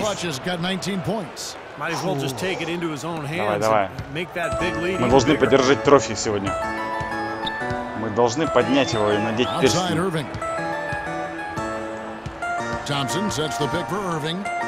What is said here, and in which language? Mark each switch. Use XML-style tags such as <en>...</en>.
<en>Mr. Clutch has got 19 points. Might as well just take it into his own hands.</en> <ru>Давай.</ru> <en>Make that big lead.</en> <ru>Мы должны поддержать трофей сегодня. Мы должны поднять его и надеть перстень.</ru> <en>Thompson sets the pick for Irving.</en>